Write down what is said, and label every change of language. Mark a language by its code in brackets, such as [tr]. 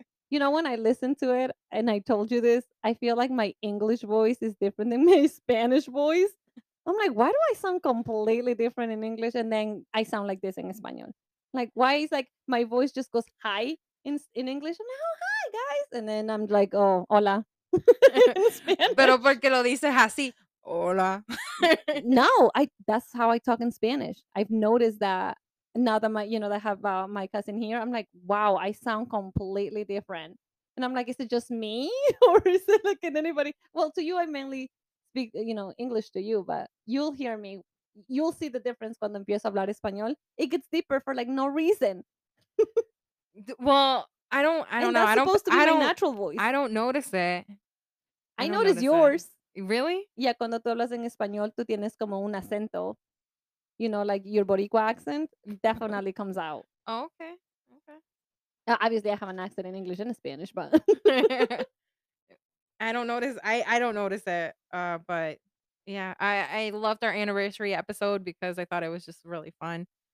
[en] You know, when I listen to it, and I told you this, I feel like my English voice is different than my Spanish voice. I'm like, why do I sound completely different in English and then I sound like this in Espanol? Like, why is, like, my voice just goes hi in English and now, oh, hi guys, and then I'm like, oh, hola. [es] Pero porque lo dice así, hola. [en] No, that's how I talk in Spanish. I've noticed that now that that I have my cousin here, I'm like, wow, I sound completely different. And I'm like, is it just me or is it like anybody? Well, to you, I mainly speak, you know, English to you, but you'll hear me, you'll see the difference [es] cuando empiezo a hablar español. [en] It gets deeper for like no reason. Well, I don't and know. That's I don't supposed to be my natural voice. I don't notice it. I notice yours. It. Really? Yeah, [es] cuando tú hablas en español, tú tienes como un acento. [en] You know, like your Boricua accent definitely comes out. Oh, okay. Obviously, I have an accent in English and Spanish, but. I don't notice it, but yeah, I loved our anniversary episode because I thought it was just really fun.